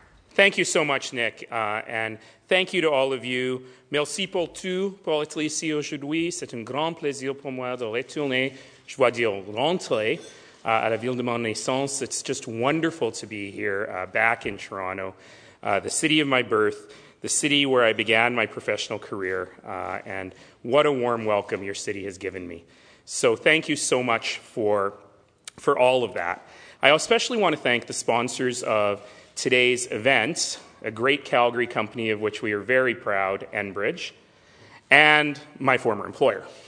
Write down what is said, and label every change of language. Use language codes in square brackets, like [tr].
[en] Thank you so much, Nick, and thank you to all of you. [fr] Merci pour tout pour être ici aujourd'hui. C'est un grand plaisir pour moi de retourner. Je dois dire rentrer à la ville de mon naissance. [en] It's just wonderful to be here back in Toronto, the city of my birth, the city where I began my professional career, and what a warm welcome your city has given me. So thank you so much for all of that. I especially want to thank the sponsors of today's event, a great Calgary company of which we are very proud, Enbridge, and my former employer.